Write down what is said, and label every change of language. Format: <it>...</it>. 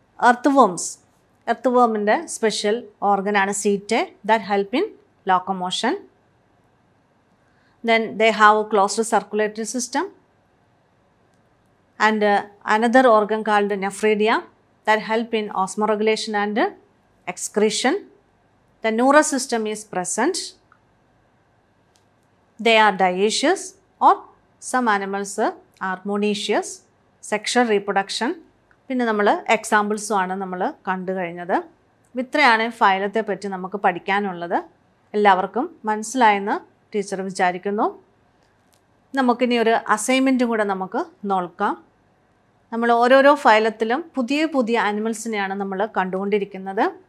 <en>എർത്ത് വോംസ്,</en> <ml>earth വോമിൻ്റെ special ഓർഗനാണ് സീറ്റെ,</ml> <en>That help in locomotion. Then they have closed circulatory system and another organ called nephridia that help in osmoregulation and excretion. The neural system is present. They are dioecious or some animals are monoecious. Sexual reproduction.</en> <ml>പിന്നെ നമ്മൾ എക്സാമ്പിൾസും ആണ് നമ്മൾ കണ്ടു കഴിഞ്ഞത്. ഇത്രയാണ് ഫൈലത്തെ പറ്റി നമുക്ക് പഠിക്കാനുള്ളത്. എല്ലാവർക്കും മനസ്സിലായെന്ന് ടീച്ചർ വിചാരിക്കുന്നു. നമുക്കിനി ഒരു അസൈൻമെൻറ്റും കൂടെ നമുക്ക് നോക്കാം. നമ്മൾ ഓരോരോ ഫൈലത്തിലും പുതിയ പുതിയ അനിമൽസിനെയാണ് നമ്മൾ കണ്ടുകൊണ്ടിരിക്കുന്നത്.</ml>